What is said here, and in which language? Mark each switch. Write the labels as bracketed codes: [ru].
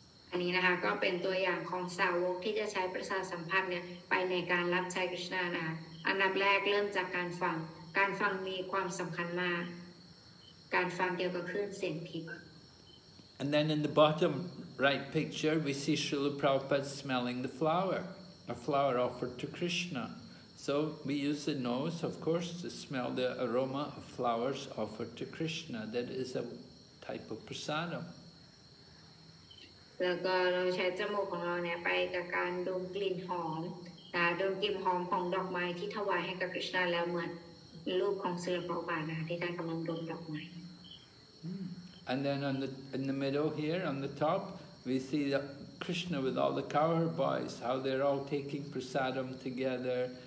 [th] อันนี้นะคะก็เป็นตัวอย่างของสาวกที่จะใช้ประสาทสัมผัสเนี่ยไปในการรับใช้ Krishna นะคะอันดับแรกเริ่มจากการฟังการฟังมีความสำคัญมากการฟังเกี่ยวกับคลื่นเสียงทิพย์ [en] And then in the bottom right picture we see Srila Prabhupada smelling the flower a flower offered to Krishna so we use the nose of course to smell the aroma of flowers offered to Krishna that is a type of prasadam [th] แล้วก็เราใช้จมูกของเราเนี่ยไปกับการดมกลิ่นหอมนะดมกลิ่นหอมของดอกไม้ที่ถวายให้กับ Krishna แล้วเหมือน [en] And then in the middle here on the top, we see that Krishna with all the cowherd boys, how they're all taking prasadam together.